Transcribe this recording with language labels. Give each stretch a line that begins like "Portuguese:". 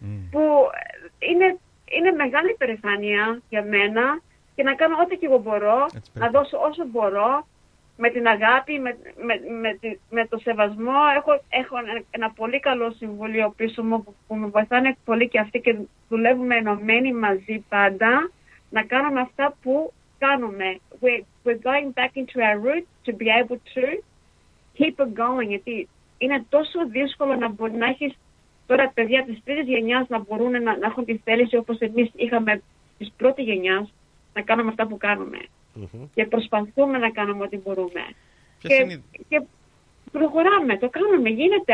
Greek: Που είναι μεγάλη περηφάνεια για μένα και να κάνω ό,τι και εγώ μπορώ, να δώσω όσο μπορώ. Με την αγάπη, με το σεβασμό. Έχω ένα πολύ καλό συμβούλιο πίσω μου που με βοηθάνε πολύ και αυτοί και δουλεύουμε ενωμένοι μαζί πάντα να κάνουμε αυτά που κάνουμε.
English: We're going back into our roots to be able to keep it going.
Greek: Γιατί είναι τόσο δύσκολο να μπορεί να έχεις τώρα παιδιά της τρίτης γενιάς να μπορούν να έχουν τη θέληση όπως εμείς είχαμε της πρώτης γενιάς να κάνουμε αυτά που κάνουμε. Mm-hmm. Και προσπαθούμε να κάνουμε ό,τι μπορούμε. Και προχωράμε, το κάνουμε, γίνεται.